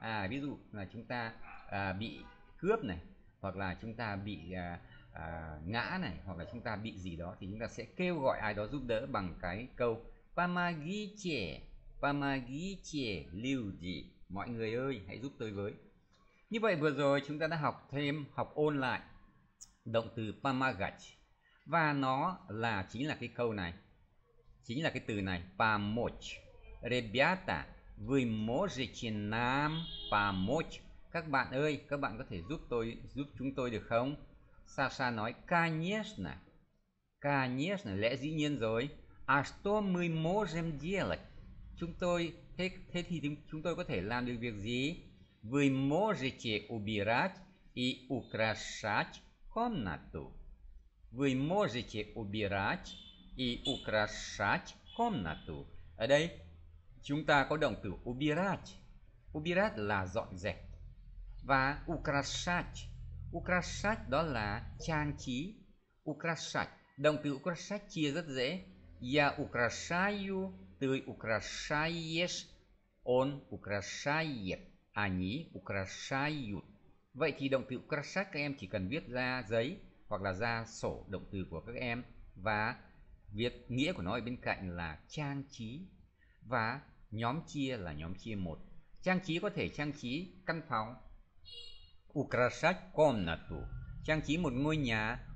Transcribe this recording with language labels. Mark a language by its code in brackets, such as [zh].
[vi] Ví dụ là chúng ta bị cướp này, hoặc là chúng ta bị ngã này, hoặc là chúng ta bị gì đó, thì chúng ta sẽ kêu gọi ai đó giúp đỡ bằng cái câu помогите. [ru] Помогите люди, [vi] mọi người ơi hãy giúp tôi với. Như vậy vừa rồi chúng ta đã học thêm, học ôn lại động từ pamagach, và nó là chính là cái câu này, chính là cái từ này, pamoch. [ru] Ребята, вы можете нам помочь? [vi] Các bạn ơi, các bạn có thể giúp tôi, giúп chúng tôi được không? Саша nói, конечно. Конечно, lẽ dĩ nhiên rồi. [ru] А что мы можем делать? [vi] Chúng tôi, thế thì chúng tôi có thể làm được việc gì? [ru] Вы можете убирать и украшать комнату. Вы можете убирать и украшать комнату. [vi] Ở đây, chúng ta có động từ убирать. Убирать là dọn dẹp. Và украшать. Украшать đó là trang trí. [ru] Украшать. [vi] Động từ украшать chia rất dễ. [ru] Я украшаю, ты украшаешь, он украшает, они украшают. [vi] Vậy thì động từ украшать các em chỉ cần viết ra giấy hoặc là ra sổ động từ của các em và viết nghĩa của nó ở bên cạnh là trang trí. Và nhóm chia là nhóm chia một. Trang trí có thể trang trí căn phòng. [ru] Украшать комнату. [vi] Trang trí một ngôi nhà.